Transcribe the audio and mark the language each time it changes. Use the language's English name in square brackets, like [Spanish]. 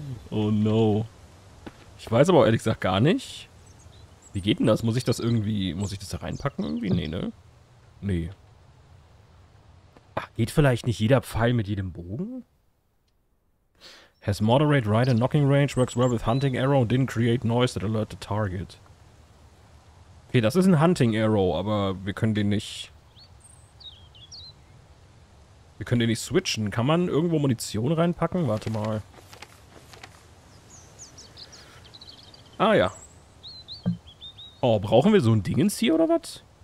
[German] Oh no. Ich weiß aber ehrlich gesagt gar nicht. Wie geht denn das? Muss ich das da reinpacken irgendwie? Nee, ne? Nee. Ach, geht vielleicht nicht jeder Pfeil mit jedem Bogen? [English] Has moderate right and knocking range, works well with hunting arrow, didn't create noise that alert the target. [German] Okay, das ist ein Hunting Arrow, aber wir können den nicht... Wir können den nicht switchen. Kann man irgendwo Munition reinpacken? Warte mal. Ah ja. Oh, brauchen wir so ein Dingens hier oder was?